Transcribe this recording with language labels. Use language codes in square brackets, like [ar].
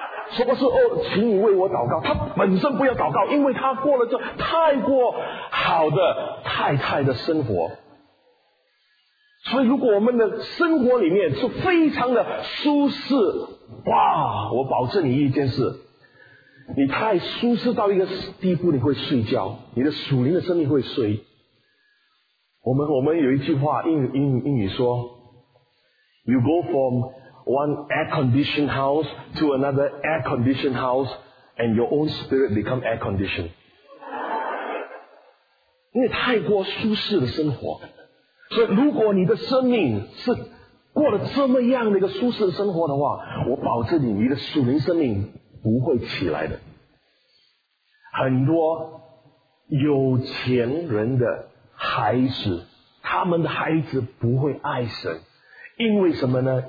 [zh] 什么是哦？请你为我祷告。他本身不要祷告，因为他过了这太过好的太太的生活。所以如果我们的生活里面是非常的舒适，哇！我保证你一件事，你太舒适到一个地步，你会睡觉，你的属灵的生命会睡。我们有一句话英语说 [en] ，You go from one air-conditioned house to another air-conditioned house, and your own spirit become air-conditioned。 [zh] 因为太过舒适的生活，所以如果你的生命是过了这么样的一个舒适的生活的话，我保证你的属灵生命不会起来的。很多有钱人的孩子，他们的孩子不会爱神，因为什么呢？